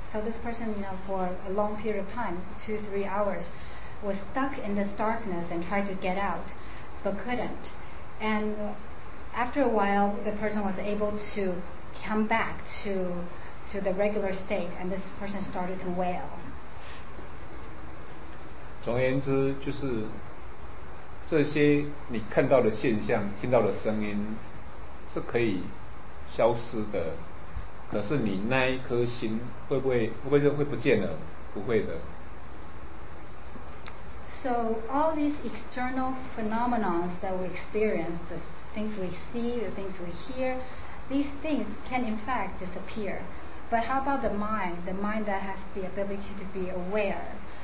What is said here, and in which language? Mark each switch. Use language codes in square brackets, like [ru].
[en] So this person, you know, for a long period of time, 2-3 hours, was stuck in this darkness and tried to get out, but couldn't. And after a while, the person was able to come back to the regular state, and this person started to wail. [zh] 总而言之，就是这些你看到的现象、听到的声音是可以消失的，可是你那一颗心会不会不见了？不会的。 [en] So all these external phenomena that we experience, the things we see, the things we hear, these things can in fact disappear. But how about the mind that has the ability to be aware?